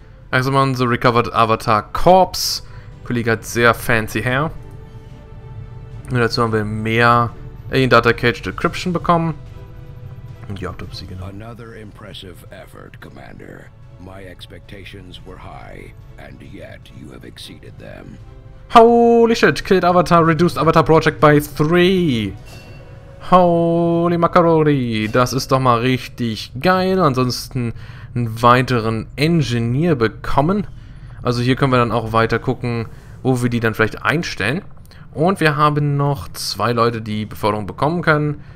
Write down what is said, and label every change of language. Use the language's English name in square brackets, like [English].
[English] Also man, the recovered Avatar Corpse. [German] Kollege hat sehr [English] fancy hair. [German] Und dazu haben wir mehr Alien Data Cage Decryption bekommen. Und die Autopsie, genau. [English] Another impressive effort, Commander. My expectations were high, and yet you have exceeded them. Holy shit! Killed Avatar, reduced Avatar Project by 3! [German] Holy Macaroni, das ist doch mal richtig geil. Ansonsten einen weiteren Engineer bekommen. Also hier können wir dann auch weiter gucken, wo wir die dann vielleicht einstellen. Und wir haben noch zwei Leute, die Beförderung bekommen können.